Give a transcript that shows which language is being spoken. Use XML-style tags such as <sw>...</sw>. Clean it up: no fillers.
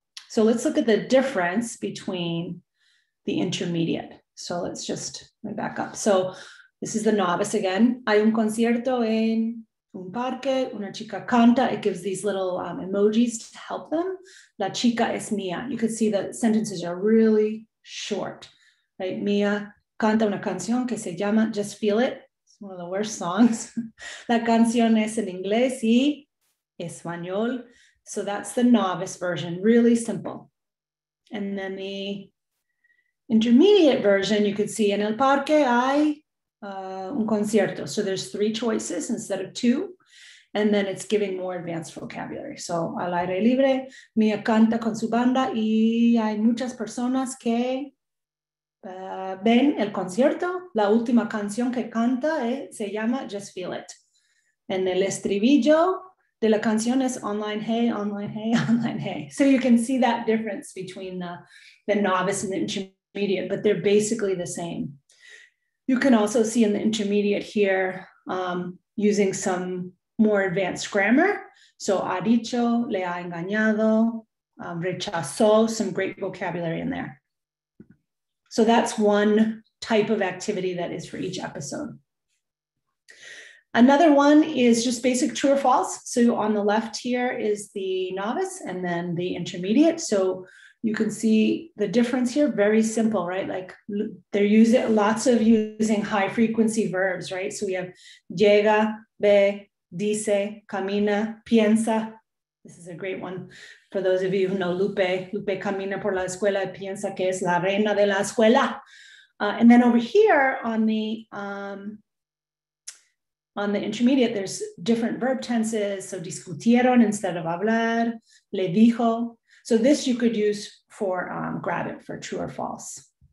<en>So let's look at the difference between the intermediate. So let's just back up. So this is the novice again.</en> <es>Hay un concierto en un parque, una chica canta,</es> <en>it gives these little emojis to help them.</en> <es>La chica es mía.</es> <en>You can see the sentences are really short, right?</en> <es>Mía canta una canción que se llama Just Feel It.</es> <en>It's one of the worst songs.</en> <es>La canción es en inglés y español.</es> <en>So that's the novice version, really simple. And then the intermediate version, you could see</en> <es>en el parque hay un concierto.</es> <en>So there's three choices instead of two. And then it's giving more advanced vocabulary.</en> <es>So al aire libre, Mia canta con su banda y hay muchas personas que ven el concierto. La última canción que canta se llama Just Feel It. En el estribillo de la canción es online hey, online hey, online hey.</es> <en>So you can see that difference between the novice and the intermediate, but they're basically the same. You can also see in the intermediate here using some more advanced grammar. So</en> <es>ha dicho, le ha engañado, rechazó,</es> <en>some great vocabulary in there. So that's one type of activity that is for each episode. Another one is just basic true or false. So on the left here is the novice and then the intermediate. So You can see the difference here, very simple, right? Like they're using lots of using high frequency verbs, right? So we have llega, ve, dice, camina, piensa. This is a great one for those of you who know Lupe.</en> <es>Lupe camina por la escuela, piensa que es la reina de la escuela.</es> <en>And then over here on the intermediate, there's different verb tenses. So discutieron instead of hablar, le dijo. So this you could use for grab it for true or false.</en>